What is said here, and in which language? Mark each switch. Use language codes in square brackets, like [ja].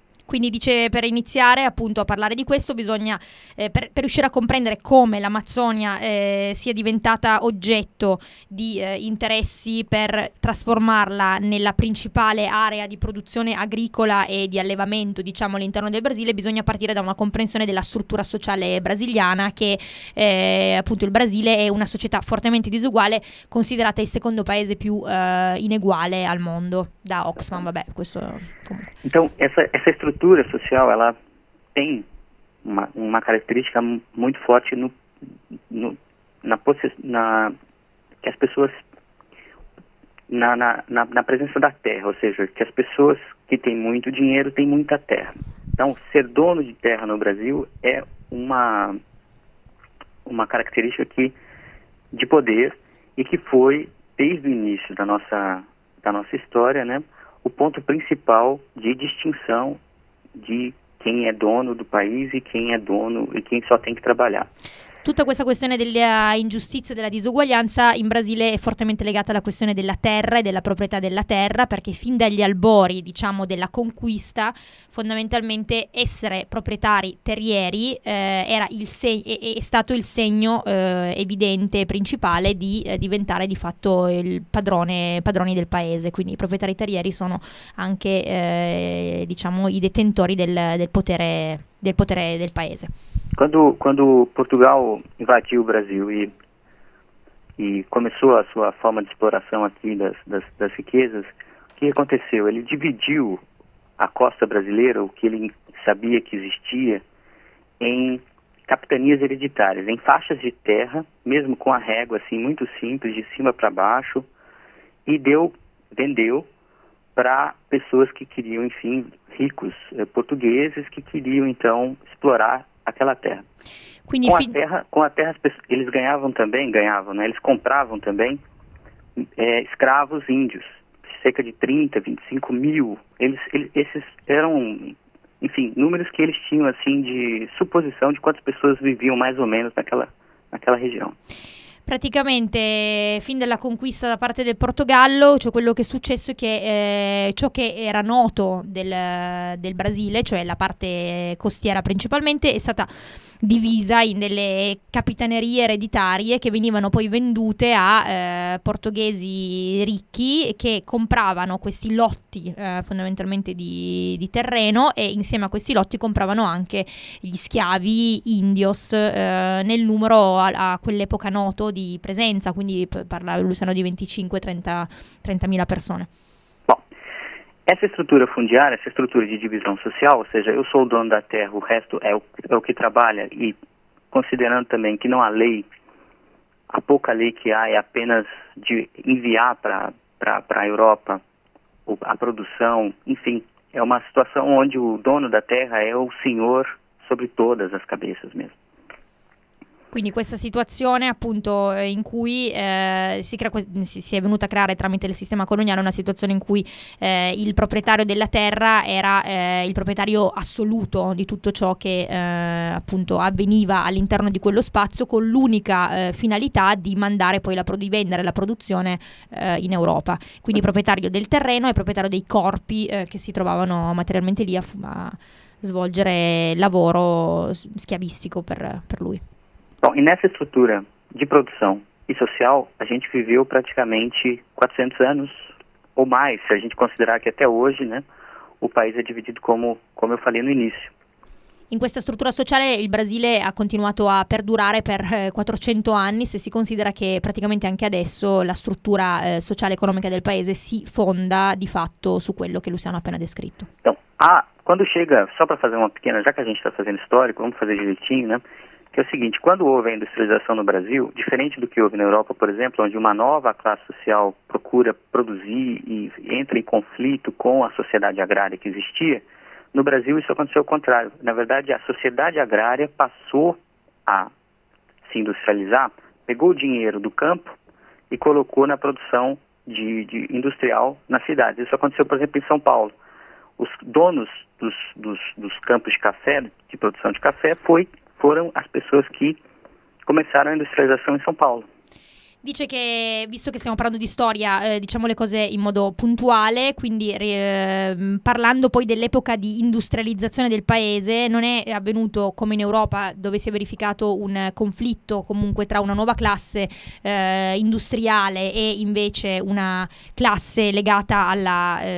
[it] Quindi dice, per iniziare appunto a parlare di questo, bisogna per riuscire a comprendere come l'Amazzonia sia diventata oggetto di interessi per trasformarla nella principale area di produzione agricola e di allevamento, diciamo, all'interno del Brasile, bisogna partire da una comprensione della struttura sociale brasiliana, che appunto il Brasile è una società fortemente disuguale, considerata il secondo paese più ineguale al mondo da Oxfam. Vabbè, questo comunque. [pt] Então, essa struttura social, ela tem uma característica muito forte que as pessoas na presença da terra, ou seja, que as pessoas que têm muito dinheiro têm muita terra. Então, ser dono de terra no Brasil é uma característica que de poder, e que foi desde o início da nossa história, né, o ponto principal de distinção [it] di chi è dono del paese e chi è dono e chi solo tem che lavorare. Tutta questa questione della ingiustizia e della disuguaglianza in Brasile è fortemente legata alla questione della terra e della proprietà della terra, perché fin dagli albori, diciamo, della conquista, fondamentalmente essere proprietari terrieri è stato il segno evidente, principale, di diventare di fatto il padroni del paese. Quindi i proprietari terrieri sono anche diciamo i detentori del potere del paese. [pt] Quando Portugal invadiu o Brasil e começou a sua forma de exploração aqui das riquezas, o que aconteceu? Ele dividiu a costa brasileira, o que ele sabia que existia, em capitanias hereditárias, em faixas de terra, mesmo com a régua assim muito simples, de cima para baixo, e vendeu para pessoas que queriam, enfim, ricos portugueses, que queriam então explorar aquela terra. [it] Quindi, [pt] com a terra, eles ganhavam, né? Eles compravam também escravos índios, cerca de 30, 25 mil. Esses eram, enfim, números que eles tinham assim de suposição de quantas pessoas viviam mais ou menos naquela região. [it] Praticamente fin dalla conquista da parte del Portogallo, cioè quello che è successo è che ciò che era noto del Brasile, cioè la parte costiera principalmente, è stata divisa in delle capitanerie ereditarie che venivano poi vendute a portoghesi ricchi, che compravano questi lotti fondamentalmente di terreno, e insieme a questi lotti compravano anche gli schiavi indios nel numero a quell'epoca noto di presenza, quindi parlava Luciano di 25-30 mila persone. [pt] Bom, Essa estrutura fundiária, essa estrutura de divisão social, ou seja, eu sou o dono da terra, o resto é o que trabalha, e considerando também que não há lei, a pouca lei que há é apenas de enviar para a Europa a produção, enfim, é uma situação onde o dono da terra é o senhor sobre todas as cabeças mesmo. [it] Quindi questa situazione appunto in cui si è venuta a creare tramite il sistema coloniale una situazione in cui il proprietario della terra era il proprietario assoluto di tutto ciò che appunto avveniva all'interno di quello spazio, con l'unica finalità di mandare poi di vendere la produzione in Europa. Quindi proprietario del terreno e proprietario dei corpi che si trovavano materialmente lì a svolgere lavoro schiavistico per lui. [pt] Bom, e nessa estrutura de produção e social, a gente viveu praticamente 400 anos ou mais, se a gente considerar que até hoje, né, o país é dividido como eu falei no início. [it] In questa struttura sociale il Brasile ha continuato a perdurare per 400 anni, se si considera che praticamente anche adesso la struttura sociale economica del paese si fonda di fatto su quello che Luciano ha appena descritto. [pt] Então, quando chega, só para fazer uma pequena, já que a gente está fazendo histórico, vamos fazer direitinho, né? Que é o seguinte, quando houve a industrialização no Brasil, diferente do que houve na Europa, por exemplo, onde uma nova classe social procura produzir e entra em conflito com a sociedade agrária que existia, no Brasil isso aconteceu ao contrário. Na verdade, a sociedade agrária passou a se industrializar, pegou o dinheiro do campo e colocou na produção de industrial nas cidades. Isso aconteceu, por exemplo, em São Paulo. Os donos dos campos de café, de produção de café, foram as pessoas que começaram a industrialização em São Paulo. [it] Dice che, visto che stiamo parlando di storia, diciamo le cose in modo puntuale, quindi parlando poi dell'epoca di industrializzazione del paese, non è avvenuto come in Europa, dove si è verificato un conflitto comunque tra una nuova classe industriale e invece una classe legata alla